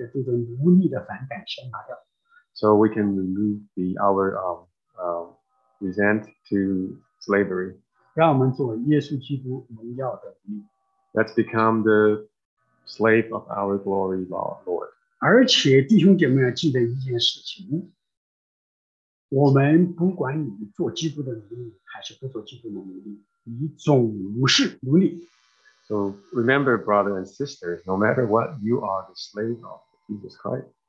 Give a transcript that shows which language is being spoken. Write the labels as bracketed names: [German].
[Chinese] 所以这个就把弟兄姐妹们的这一个对奴隶的反感先拿掉。So [English] we can remove the our resent to slavery. [Chinese] 让我们做耶稣基督荣耀的奴隶。Let's [English] become the slave of our glory, Lord. [Chinese] 而且弟兄姐妹要记得一件事情，我们不管你做基督的奴隶还是不做基督的奴隶，你总是奴隶。 [English] So remember, brothers and sisters, no matter what, you are the slave of Jesus Christ.